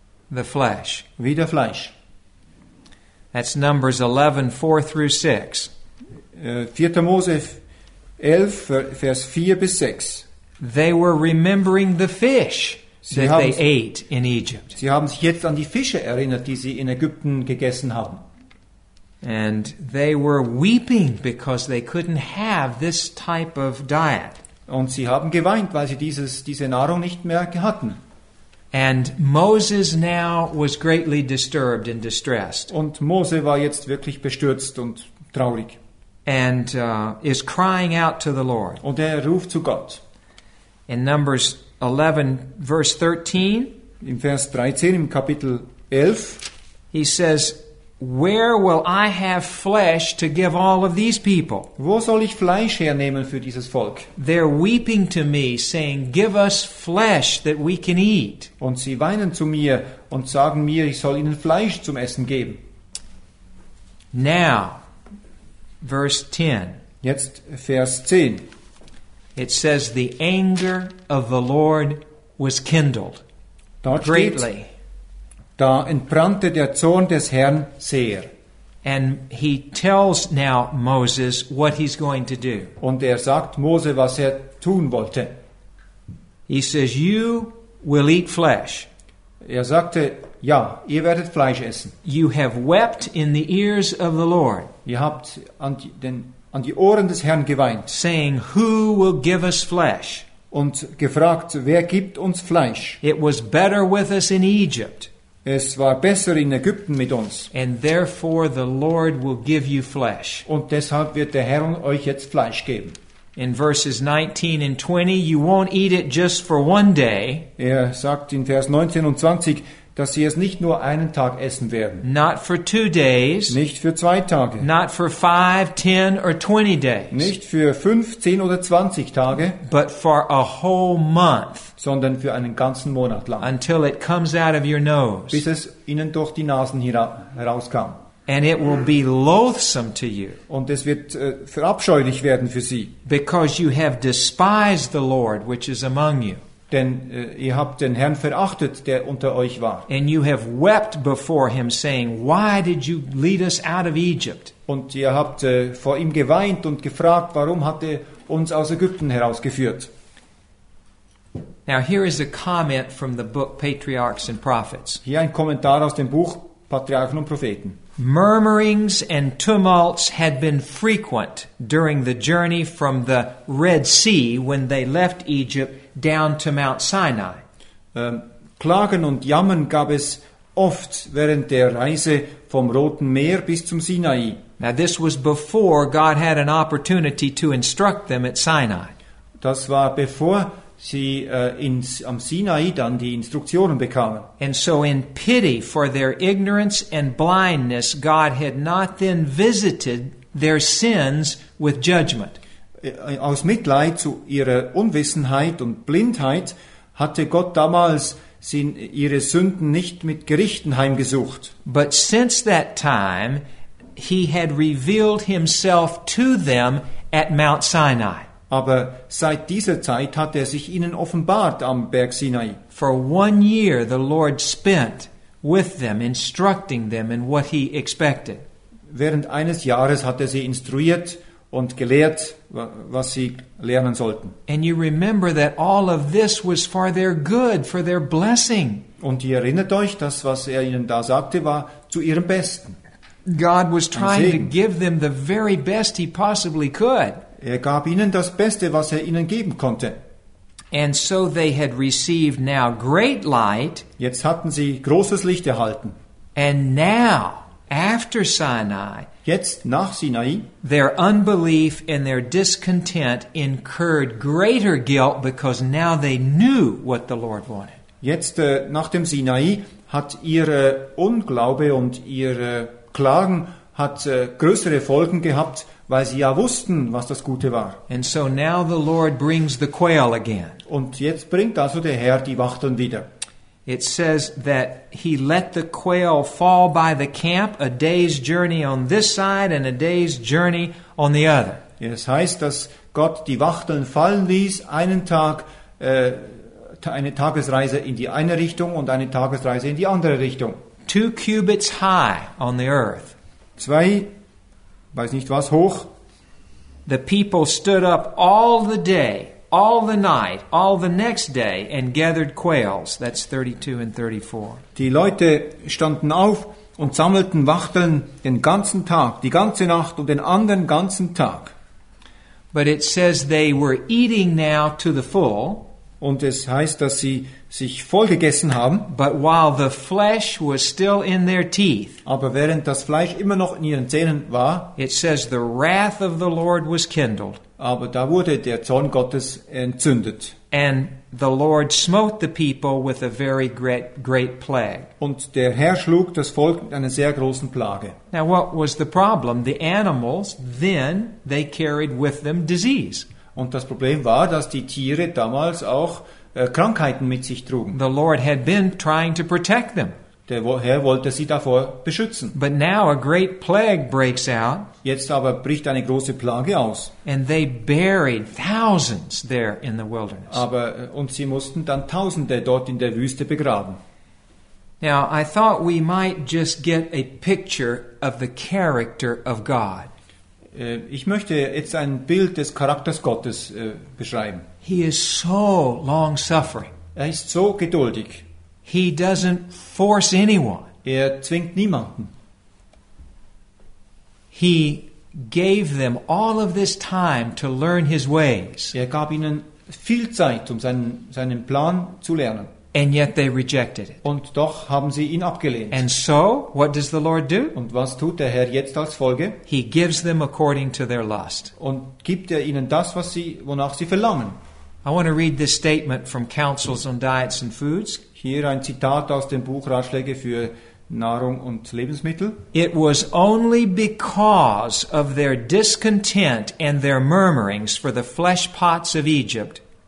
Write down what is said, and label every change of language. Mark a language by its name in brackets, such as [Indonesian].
[English] The flesh. [German] Wieder Fleisch. [English] That's Numbers 11, 4 through 6. [German] 4. Mose 11, Vers 4 bis 6. [English] They were remembering the fish they ate in Egypt. [German] Sie haben sich jetzt an die Fische erinnert, die sie in Ägypten gegessen haben. [English] And they were weeping because they couldn't have this type of diet. [German] Und sie haben geweint, weil sie diese Nahrung nicht mehr hatten. [English] And Moses now was greatly disturbed and distressed. [German] Und Mose war jetzt wirklich bestürzt und traurig. [English] And is crying out to the Lord. [German] Und er ruft zu Gott. [English] In Numbers 11, verse 13. [German] In Vers 13, im Kapitel 11. [English] He says, "Where will I have flesh to give all of these people?" [German] Wo soll ich Fleisch hernehmen für dieses Volk? [English] They're weeping to me, saying, "Give us flesh that we can eat." [German] Und sie weinen zu mir und sagen mir, ich soll ihnen Fleisch zum Essen geben. [English] Now, verse 10. [German] Jetzt Vers 10. [English] It says, "The anger of the Lord was kindled greatly." [German] Da entbrannte der Zorn des Herrn sehr. [English] And he tells now Moses what he's going to do. [German] Und er sagt Mose, was er tun wollte. [English] He says, "You will eat flesh." [German] Er sagte, ja, ihr werdet Fleisch essen. [English] "You have wept in the ears of the Lord." [German] Ihr habt an die Ohren des Herrn geweint. [English] "Saying, who will give us flesh?" [German] Und gefragt, wer gibt uns Fleisch? [English] "It was better with us in Egypt." [German] Es war besser in Ägypten mit uns. [English] "And therefore the Lord will give you flesh." [German] Und deshalb wird der Herr euch jetzt Fleisch geben. [English] In verses 19 and 20, "You won't eat it just for one day." [German] Er sagt in Vers 19 und 20, dass sie es nicht nur einen Tag essen werden. [English] "Not for 2 days." [German] Nicht für 2 Tage. [English] "Not for 5, 10, or 20 days." [German] Nicht für 5, 10 oder 20 Tage. [English] "But for a whole month." [German] Sondern für einen ganzen Monat lang. [English] "Until it comes out of your nose." [German] Bis es ihnen durch die Nasen herauskam. [English] "And it will be loathsome to you." [German] Und es wird verabscheulich werden für sie. [English] "Because you have despised the Lord which is among you." [German] Denn ihr habt den Herrn verachtet, der unter euch war. [English] "And you have wept before him, saying, 'Why did you lead us out of Egypt?'" [German] Und ihr habt vor ihm geweint und gefragt, warum hat er uns aus Ägypten herausgeführt? [English] Now here is a comment from the book Patriarchs and Prophets. [German] Hier ein Kommentar aus dem Buch Patriarchen und Propheten. [English] "Murmurings and tumults had been frequent during the journey from the Red Sea when they left Egypt down to Mount Sinai." [German] Klagen und Jammern gab es oft während der Reise vom Roten Meer bis zum Sinai. [English] Now this was before God had an opportunity to instruct them at Sinai. [German] Das war bevor sie am Sinai dann die Instruktionen bekamen. [English] "And so in pity for their ignorance and blindness, God had not then visited their sins with judgment." [German] Aus Mitleid zu ihrer Unwissenheit und Blindheit hatte Gott damals ihre Sünden nicht mit Gerichten heimgesucht. [English] "But since that time, he had revealed himself to them at Mount Sinai." [German] Aber seit dieser Zeit hat er sich ihnen offenbart am Berg Sinai. [English] "For 1 year the Lord spent with them, instructing them in what he expected." [German] Während eines Jahres hat er sie instruiert und gelehrt, was sie lernen sollten. [English] "And you remember that all of this was for their good, for their blessing." [German] Und ihr erinnert euch, das, was er ihnen da sagte, war zu ihrem Besten. [English] God was trying to give them the very best he possibly could. [German] Er gab ihnen das Beste, was er ihnen geben konnte. [English] "And so they had received now great light." [German] Jetzt hatten sie großes Licht erhalten. [English] "And now, after Sinai." [German] Jetzt nach Sinai. [English] "Their unbelief and their discontent incurred greater guilt, because now they knew what the Lord wanted." [German] Jetzt nach dem Sinai hat ihre Unglaube und ihre Klagen hat größere Folgen gehabt, weil sie ja wussten, was das Gute war. [English] "And so now the Lord brings the quail again." [German] Und jetzt bringt also der Herr die Wachteln wieder. [English] "It says that he let the quail fall by the camp, a day's journey on this side and a day's journey on the other." [German] Es heißt, dass Gott die Wachteln fallen ließ, einen Tag, eine Tagesreise in die eine Richtung und eine Tagesreise in die andere Richtung. [English] 2 cubits high on the earth. [German] Zwei, weiß nicht was, hoch. [English] "The people stood up all the day, all the night, all the next day, and gathered quails." That's 32 and 34. [German] Die Leute standen auf und sammelten Wachteln den ganzen Tag, die ganze Nacht und den anderen ganzen Tag. [English] But it says they were eating now to the full. [German] Und es heißt, dass sie sich voll gegessen haben. [English] But while the flesh was still in their teeth. [German] Aber während das Fleisch immer noch in ihren Zähnen war. [English] It says the wrath of the Lord was kindled. [German] Aber da wurde der Zorn Gottes entzündet. [English] And the Lord smote the people with a very great plague. [German] Und der Herr schlug das Volk mit einer sehr großen Plage. [English] Now what was the problem? The animals, then, they carried with them disease. [German] Und das Problem war, dass die Tiere damals auch Krankheiten mit sich trugen. [English] The Lord had been trying to protect them. [German] Der Herr wollte sie davor beschützen. [English] But now a great plague breaks out. [German] Jetzt aber bricht eine große Plage aus. [English] And they buried thousands there in the wilderness. [German] Aber und sie mussten dann Tausende dort in der Wüste begraben. [English] Now I thought we might just get a picture of the character of God. [German] Ich möchte jetzt ein Bild des Charakters Gottes beschreiben. [English] He is so long-suffering. [German] Er ist so geduldig. [English] He doesn't force anyone. [German] Er zwingt niemanden. [English] He gave them all of this time to learn his ways. [German] Er gab ihnen viel Zeit, um seinen Plan zu lernen. [English] And yet they rejected it. [German] Und doch haben sie ihn abgelehnt. [English] And so, what does the Lord do? [German] Und was tut der Herr jetzt als Folge? [English] He gives them according to their lust. [German] Und gibt er ihnen das, was sie, wonach sie verlangen. [English] I want to read this statement from Councils on Diets and Foods. [German] Hier ein Zitat aus dem Buch Ratschläge für Nahrung und Lebensmittel. [English] It was only because of their discontent and their murmurings for the flesh pots of Egypt.